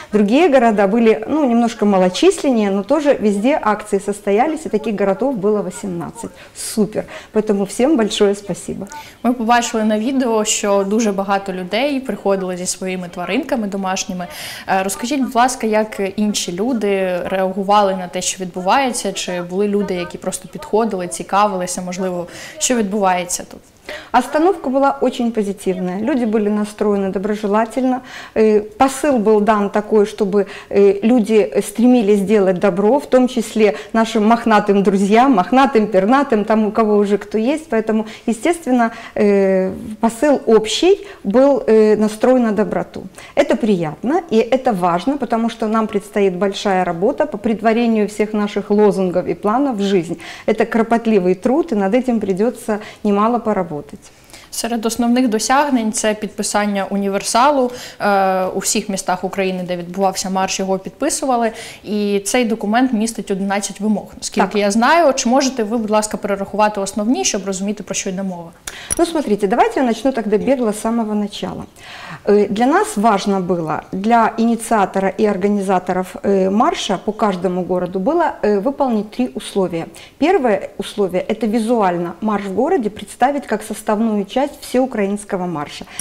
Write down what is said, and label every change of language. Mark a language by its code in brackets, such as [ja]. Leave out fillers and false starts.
[ru] Другие города были, ну, немножко малочисленнее, но тоже везде акции состоялись, и таких городов было 18. Супер! Поэтому всем большое спасибо. Мы [uk] побачили на видео, [ru] что [uk] дуже багато людей приходило зі своїми тваринками домашніми. Розкажіть, будь ласка, як інші люди реагували на те, що відбувається, чи були люди, які просто підходили, цікавилися, можливо, що відбувається тут? [ru] Остановка была очень позитивная, люди были настроены доброжелательно, посыл был дан такой, чтобы люди стремились делать добро, в том числе нашим мохнатым друзьям, мохнатым, пернатым, там у кого уже кто есть, поэтому, естественно, посыл общий был настроен на доброту. Это приятно и это важно, потому что нам предстоит большая работа по претворению всех наших лозунгов и планов в жизнь. Это кропотливый труд, и над этим придется немало поработать. [uk] Серед основних досягнень – це підписання універсалу у всіх містах України, де відбувався марш, його підписували. І цей документ містить 11 вимог. Наскільки так. Я знаю, чи можете ви, будь ласка, перерахувати основні, щоб розуміти, про що йде мова? [ru] Ну, смотрите, давайте я начну тогда бегло з самого начала. Для нас важно было, для инициатора и организаторов марша по каждому городу было выполнить три условия. Первое условие – это визуально марш в городе представить как составную часть всеукраинского марша.